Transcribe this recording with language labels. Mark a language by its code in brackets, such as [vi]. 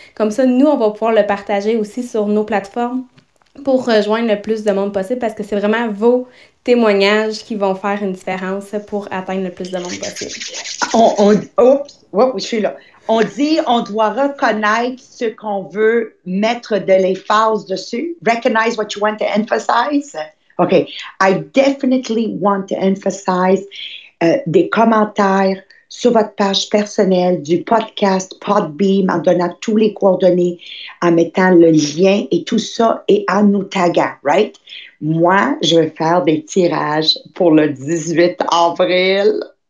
[fr] Comme ça, nous, on va pouvoir le partager aussi sur nos plateformes pour rejoindre le plus de monde possible parce que c'est vraiment vos témoignages qui vont faire une différence pour atteindre le plus de monde possible. Je suis là. On dit on doit reconnaître ce qu'on veut mettre de l'emphase dessus. [en] Recognize what you want to emphasize. OK. I definitely want to emphasize [fr] des commentaires sur votre page personnelle du podcast Podbeam en donnant tous les coordonnées, en mettant le lien et tout ça et en nous taguant, right? Moi, je vais faire des tirages pour le 18 avril.